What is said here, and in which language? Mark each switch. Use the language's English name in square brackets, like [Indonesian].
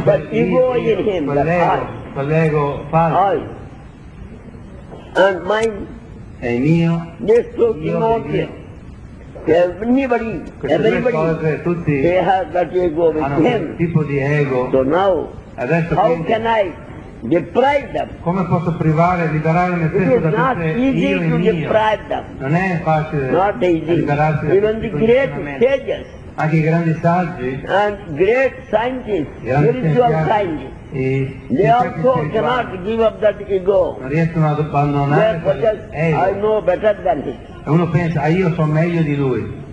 [English] but [Italian] quel [English] ego in him. [Italian] Quell'ego falso. [English] I. And mine, [Italian] è mio, [English] this took emotion. Everybody, everybody, [Italian] cose, tutti [English] they have that ego with him. [Italian] Tipo di ego. [English] So now, [Italian] adesso [English] how [Italian] quindi, [English] can I deprive them? [Italian] Come posso privare, liberare me stesso da tutte io e mio? [English] It is not easy to deprive them. [Italian] Non è facile [English] not easy. [Italian] Liberarsi da [English] even the great sages, [Italian] anche i grandi saggi, [English] and great scientists, spiritual scientists, they also cannot give up that ego. [Italian] Non riescono ad abbandonare quell'ego. [English] I know better than him. [Italian] E uno pensa, ah, io sono meglio di lui.